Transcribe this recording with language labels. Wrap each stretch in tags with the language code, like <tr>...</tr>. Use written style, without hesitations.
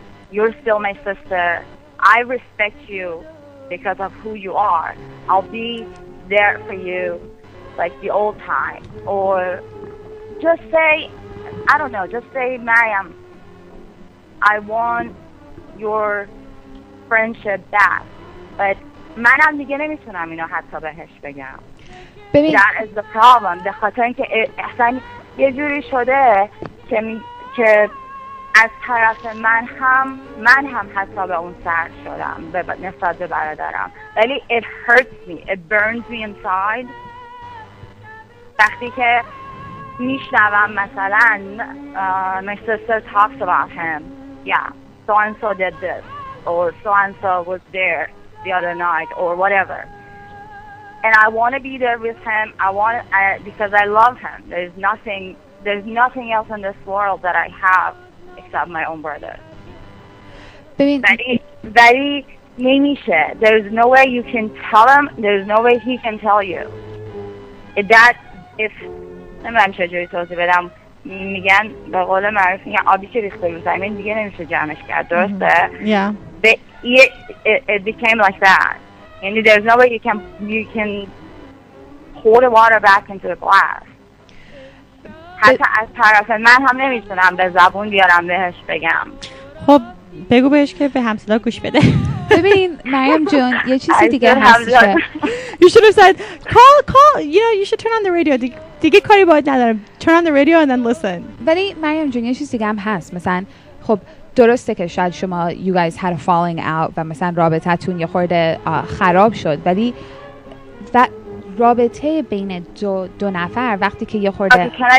<en>You're still my sister. I respect you because of who you are. I'll be there for you like the old time. Or just say, I don't know, just say, Mariam, I want your friendship back.</en> <fa>But منم دیگه نمیتونم اینو حتی بهش بگم. ببین</fa> <en>that is the problem.</en> <fa>به خاطر اینکه احسان یه جوری شده که از طرف من هم حتی به اون سر شدم به نسبت به برادرم، ولی</fa> <en>it hurts me, it burns me inside</en> <fa>وقتی که میشنوم مثلا</fa> <en>my sister talks about him, yeah, so and so did this or so and so was there the other night or whatever, and I want to be there with him, because I love him, there's nothing else in this world that I have except my own brother. Very nemisha. There's no way you can tell him. There's no way he can tell you.</en> <fa>میگن به قول معروف میگن آبی که ریخته رو زمین دیگه نمیشه جمعش کرد، درسته؟</fa> <en>yeah. It became like that. And there's no way you can pour the water back into the glass.</en> <fa>حتی از طرف من هم نمیتونم به زبون بیارم بهش بگم. خب بگو بهش که به همسلا گوش بده. ببین مریم جون یه چیزی دیگه هستش.</fa> <en>You should have said call you know you should turn on the radio.</en> <fa>دیگه کاری باید ندارم.</fa> <en>Turn on the radio and then listen.</en> <fa>ولی مریم جون یه چیزی دیگه هم هست. مثلا خب درسته که شاید شما</fa> <en>you guys had a falling out</en> <fa>و مثلا رابطتون یه خورده خراب شد. ولی رابطه بین دو نفر وقتی که یه خورده</fa>